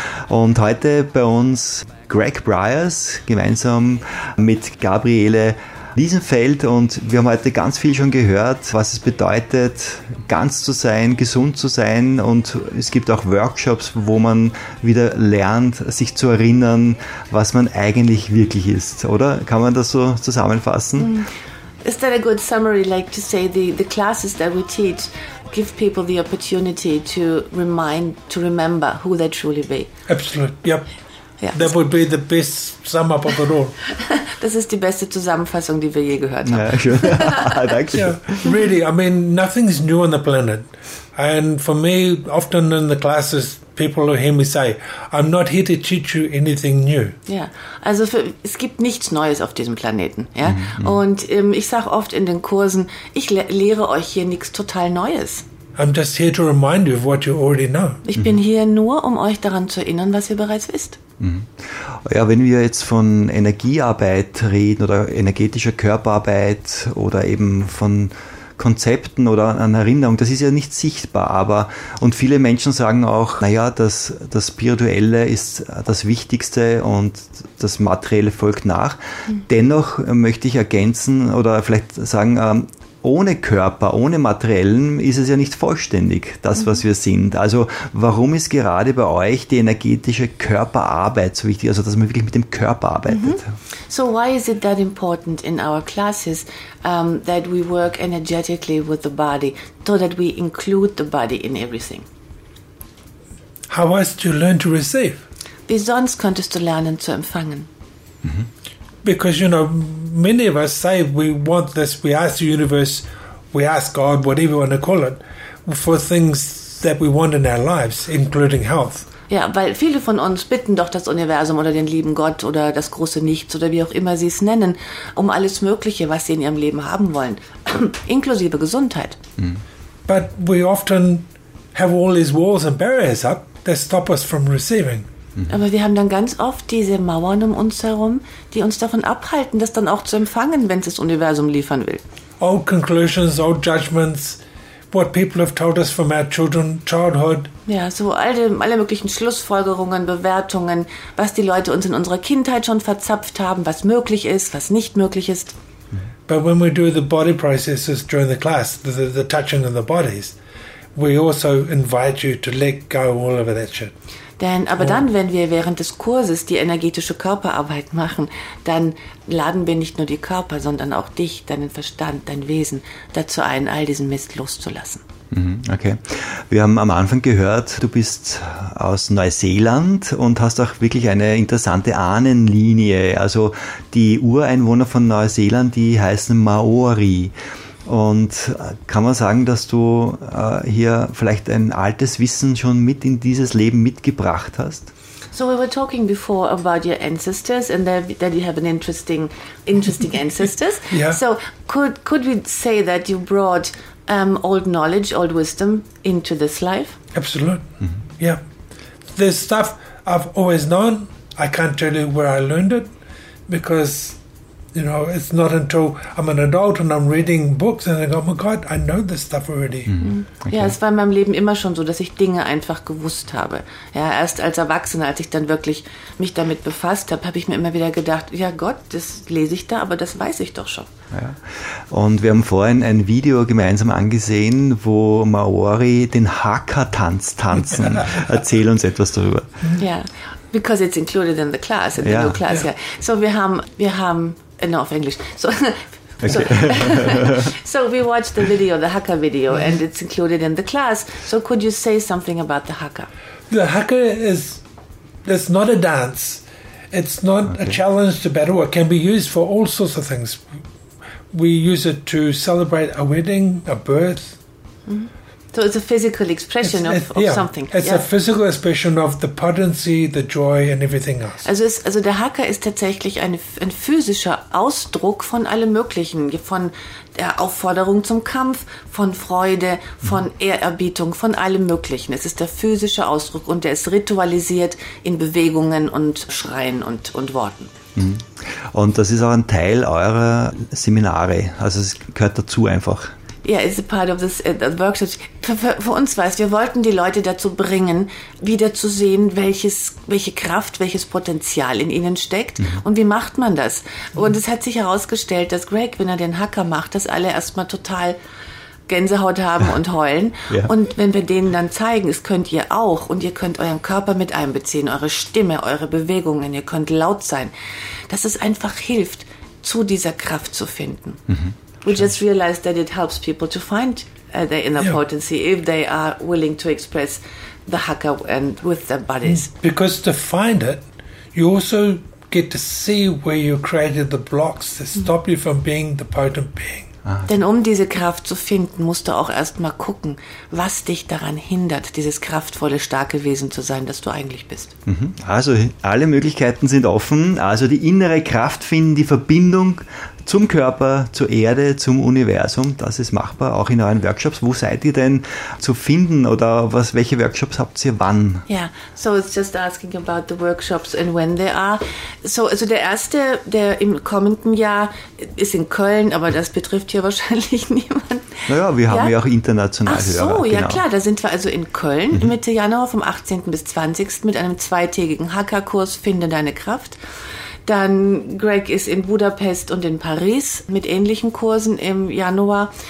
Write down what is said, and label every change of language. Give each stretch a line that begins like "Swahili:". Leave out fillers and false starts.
German: Und heute bei uns Greg Bryers gemeinsam mit Gabriele Wiesenfeld, und wir haben heute ganz viel schon gehört, was es bedeutet, ganz zu sein, gesund zu sein, und es gibt auch Workshops, wo man wieder lernt, sich zu erinnern, was man eigentlich wirklich ist, oder? Kann man das so zusammenfassen?
English: Is that a good summary, like to say the classes that we teach give people the opportunity to remember who they truly be? Absolutely, yep. Yeah. That would be the best sum up of it all.
German: Das ist die beste Zusammenfassung, die wir je gehört haben. Ja, schön. Danke schön.
English: Really, I mean, nothing is new on the planet. And for me, often in the classes, people hear me say, I'm not here to teach you anything new.
German: Ja, also es gibt nichts Neues auf diesem Planeten. Ja? Mm-hmm. Und ich sage oft in den Kursen, ich lehre euch hier nichts total Neues.
English: I'm just here to remind you of what you already know.
German: Ich bin hier nur, um euch daran zu erinnern, was ihr bereits wisst. Ja, wenn wir jetzt von Energiearbeit reden oder energetischer Körperarbeit oder eben von Konzepten oder an Erinnerung, das ist ja nicht sichtbar, aber, und viele Menschen sagen auch, naja, das Spirituelle ist das Wichtigste und das Materielle folgt nach. Dennoch möchte ich ergänzen oder vielleicht sagen, ohne Körper, ohne Materiellen ist es ja nicht vollständig, das, was wir sind. Also warum ist gerade bei euch die energetische Körperarbeit so wichtig, also dass man wirklich mit dem Körper arbeitet?
English: So why is it that important in our classes that we work energetically with the body, so that we include the body in everything? How else do you learn to receive?
German: Wie sonst könntest du lernen zu empfangen?
English: Because, you know, many of us say we want this, we ask the universe, we ask God, whatever you want to call it, for things that we want in our lives, including health.
German: Ja, weil viele von uns bitten doch das Universum oder den lieben Gott oder das große Nichts oder wie auch immer sie es nennen, um alles Mögliche, was sie in ihrem Leben haben wollen, inklusive Gesundheit.
English: But we often have all these walls and barriers up that stop us from receiving.
German: Aber wir haben dann ganz oft diese Mauern um uns herum, die uns davon abhalten, das dann auch zu empfangen, wenn es das Universum liefern will.
English: Old conclusions, old judgments, what people have told us from our children, childhood.
German: Ja, so alle möglichen Schlussfolgerungen, Bewertungen, was die Leute uns in unserer Kindheit schon verzapft haben, was möglich ist, was nicht möglich ist.
English: But when we do the body processes during the class, the touching of the bodies, we also invite you to let go all of that shit.
German: Denn aber dann, wenn wir während des Kurses die energetische Körperarbeit machen, dann laden wir nicht nur die Körper, sondern auch dich, deinen Verstand, dein Wesen dazu ein, all diesen Mist loszulassen. Okay. Wir haben am Anfang gehört, du bist aus Neuseeland und hast auch wirklich eine interessante Ahnenlinie. Also die Ureinwohner von Neuseeland, die heißen Maori. Und kann man sagen, dass du hier vielleicht ein altes Wissen schon mit in dieses Leben mitgebracht hast?
English: So we were talking before about your ancestors and that you have an interesting ancestors. Yeah. So could we say that you brought old knowledge, old wisdom into this life? Absolutely. Mm-hmm. Yeah. There's stuff I've always known. I can't tell you where I learned it because, you know, it's not until I'm an adult and I'm reading books and I go, oh my God, I know this stuff already.
German: Ja, es war in meinem Leben immer schon so, dass ich Dinge einfach gewusst habe. Ja, erst als Erwachsener, als ich dann wirklich mich damit befasst habe, habe ich mir immer wieder gedacht, ja Gott, das lese ich da, aber das weiß ich doch schon. Ja. Und wir haben vorhin ein Video gemeinsam angesehen, wo Maori den Haka-Tanz tanzen. Erzähl uns etwas darüber.
English: Ja, because it's included in the class, in the new class. Yeah.
German: So wir haben no, auf Englisch.
English: So we watched the video, the Hakka video, and it's included in the class. So could you say something about the Hakka? The Hakka is not a dance. It's not a challenge to battle. It can be used for all sorts of things. We use it to celebrate a wedding, a birth. Mm-hmm. So it's a physical expression of something. It's a physical expression of the potency, the joy and everything else.
German: Also der Hacker ist tatsächlich ein physischer Ausdruck von allem Möglichen, von der Aufforderung zum Kampf, von Freude, von Ehrerbietung, von allem Möglichen. Es ist der physische Ausdruck und der ist ritualisiert in Bewegungen und Schreien und Worten. Und das ist auch ein Teil eurer Seminare, also es gehört dazu einfach.
English: Ja, it's a part of this workshop.
German: Für uns war es, wir wollten die Leute dazu bringen, wieder zu sehen, welche Kraft, welches Potenzial in ihnen steckt und wie macht man das. Und es hat sich herausgestellt, dass Greg, wenn er den Hacker macht, dass alle erstmal total Gänsehaut haben und heulen. Und wenn wir denen dann zeigen, es könnt ihr auch und ihr könnt euren Körper mit einbeziehen, eure Stimme, eure Bewegungen, ihr könnt laut sein, dass es einfach hilft, zu dieser Kraft zu finden.
English: We just realized that it helps people to find their inner potency if they are willing to express the Hakka and with their bodies. Because to find it, you also get to see where you created the blocks that stop you from being the potent being.
German: Denn um diese Kraft zu finden, musst du auch erst mal gucken, was dich daran hindert, dieses kraftvolle, starke Wesen zu sein, das du eigentlich bist. Also alle Möglichkeiten sind offen. Also die innere Kraft finden, die Verbindung zum Körper, zur Erde, zum Universum, das ist machbar, auch in euren Workshops. Wo seid ihr denn zu finden oder welche Workshops habt ihr wann?
English: Yeah, so it's just asking about the workshops and when they are.
German: So, also der erste, der im kommenden Jahr ist in Köln, aber das betrifft hier wahrscheinlich niemanden. Naja, wir haben ja auch international Hörer. Ach so, Hörer, genau. Ja klar, da sind wir also in Köln Mitte Januar vom 18. bis 20. mit einem zweitägigen Hacker-Kurs Finde deine Kraft. Dann Greg ist in Budapest und in Paris mit ähnlichen Kursen im Januar.